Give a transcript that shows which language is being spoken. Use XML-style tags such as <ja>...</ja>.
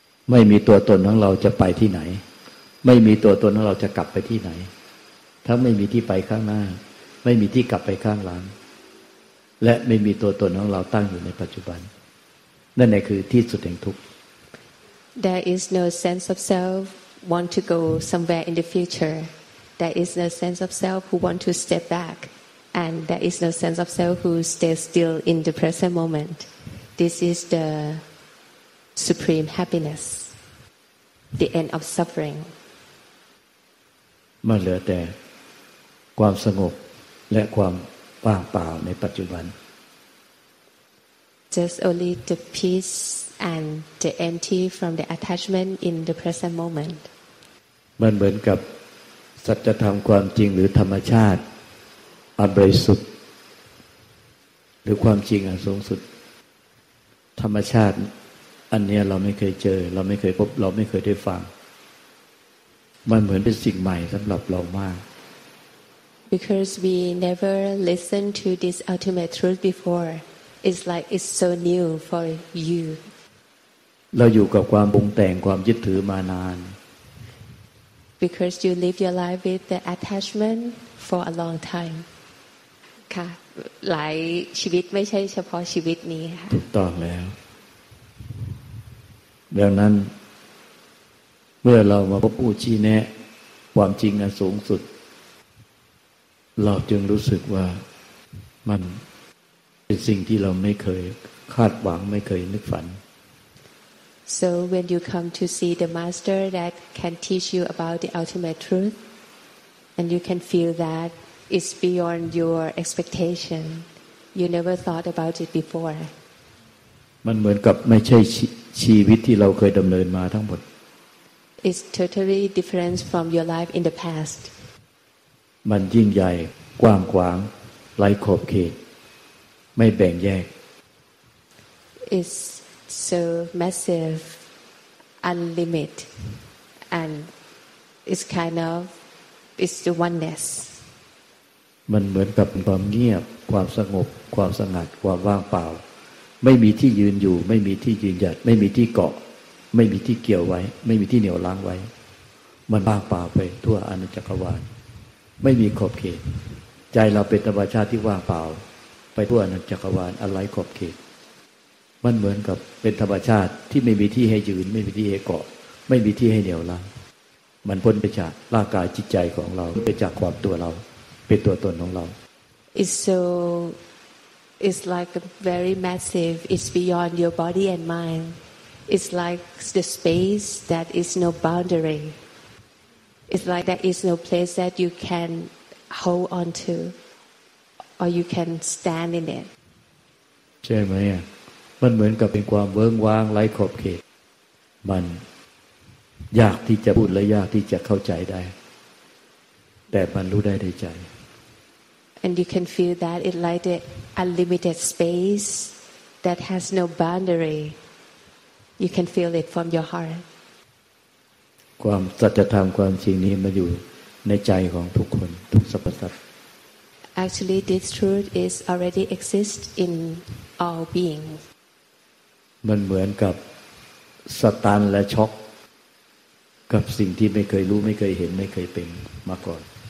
<th>ไม่มีตัวตนของเราจะไปที่ไหนไม่มีตัวตนของเราจะกลับไปที่ไหนถ้าไม่มีที่ไปข้างหน้าไม่มีที่กลับไปข้างหลังและไม่มีตัวตนของเราตั้งอยู่ในปัจจุบันนั่นแหละคือที่สุดแห่งทุกข์</th> <en>There is no sense of self want to go somewhere in the future There is no sense of self who want to step back and there is no sense of self who stay still in the present moment This is the supreme happiness the end of suffering</en> <th>มันเหลือแต่ความสงบและความว่างเปล่าในปัจจุบัน</th> <en>Just only the peace and the empty from the attachment in the present moment</en> <th>มันเหมือนกับสัจธรรมความจริงหรือธรรมชาติอันบริสุทธิ์หรือความจริงอันสูงสุดธรรมชาติอันนี้เราไม่เคยเจอเราไม่เคยพบเราไม่เคยได้ฟังมันเหมือนเป็นสิ่งใหม่สำหรับเรามาก</th> <en>Because we never listened to this ultimate truth before, it's like it's so new for you.</en> <th>เราอยู่กับความปรุงแต่งความยึดถือมานาน</th> <en>because you live your life with the attachment for a long time</en> <th>ค่ะหลายชีวิตไม่ใช่เฉพาะชีวิตนี้ค่ะ ถูกต้องแล้วดังนั้นเมื่อเรามาพบผู้ชี้แนะความจริงอันสูงสุดเราจึงรู้สึกว่ามันเป็นสิ่งที่เราไม่เคยคาดหวังไม่เคยนึกฝัน</th> <en>So when you come to see the master that can teach you about the ultimate truth and you can feel that it's beyond your expectation you never thought about it before</en> <th>มันเหมือนกับไม่ใช่ชีวิตที่เราเคยดำเนินมาทั้งหมด</th> <en>It's totally different from your life in the past</en> <th>มันยิ่งใหญ่กว้างขวางไร้ขอบเขตไม่แบ่งแยก</th> <en>It's so massive unlimited and it's kind of it's the oneness</en> <th>มันเหมือนกับความเงียบความสงบความสงัดความว่างเปล่าไม่มีที่ยืนอยู่ไม่มีที่ยืนหยัดไม่มีที่เกาะไม่มีที่เกี่ยวไว้ไม่มีที่เหนี่ยวล้างไว้มันว่างเปล่าไปทั่วอาณาจักรวาลไม่มีขอบเขตใจเราเป็นธรรมชาติที่ว่างเปล่าไปทั่วอาณาจักรวาลอะไรขอบเขต มันเหมือนกับเป็นธรรมชาติที่ไม่มีที่ให้ยืนไม่มีที่ให้เกาะไม่มีที่ให้เหนี่ยวล้างมันพ้นไปจากร่างกายจิตใจของเราไปจากความตัวเราเป็นตัวตนของเรา</th> <en>It's so it's like very massive it's beyond your body and mindIt's like the space that is no boundary. It's like there is no place that you can hold on to or you can stand in it.</en> <th>ใช่ไหมอ่ะมันเหมือนกับเป็นความเบิ่งว่างไร้ขอบเขตมันยากที่จะพูดและยากที่จะเข้าใจได้แต่มันรู้ได้ในใจ</th> <en>And you can feel that it's like the unlimited space that has no boundary. You can feel it from your heart.</en> <th>ความสัจธรรมความจริงนี้มาอยู่ในใจของทุกคนทุกสรรพสัตว์</th> <en>Actually, this truth is already exists in all beings.</en> <th>มันเหมือนกับสตันและช็อกกับสิ่งที่ไม่เคยรู้ไม่เคยเห็นไม่เคยเป็นมาก่อน</th>